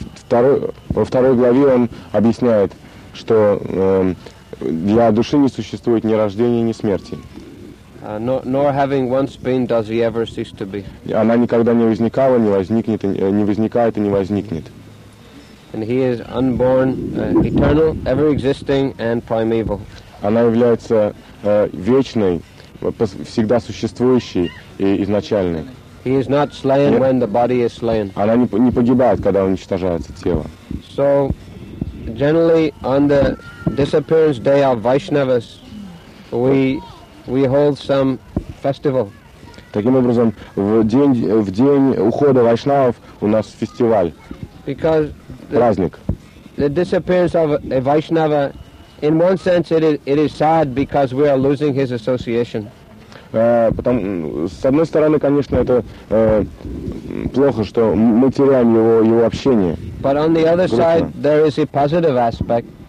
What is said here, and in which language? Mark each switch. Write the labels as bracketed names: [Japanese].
[Russian] Во второй главе он объясняет, что для души не существует ни рождения, ни смерти. [English] Nor having once been, does he ever cease to be. [Russian] Она никогда не возникала, не возникнет, не возникает и не возникнет. [English] And he is unborn, eternal, ever-existing and primeval. [Russian] Она является вечной, всегда существующей и изначальной. [English] He is not slain when the body is slain. [Russian] Она не погибает, когда уничтожается тело. [English] So, generally, on the disappearance day of Vaishnavas, we hold some festival. [Russian] Таким образом, в день ухода Вайшнавов у нас фестиваль. [English] Because [Russian] праздник. [English] The disappearance of a Vaishnava, in one sense, it is sad because we are losing his association. [Russian] С одной стороны, конечно, это плохо, что мы теряем его общение. [English] But on the other side, there is a positive aspect.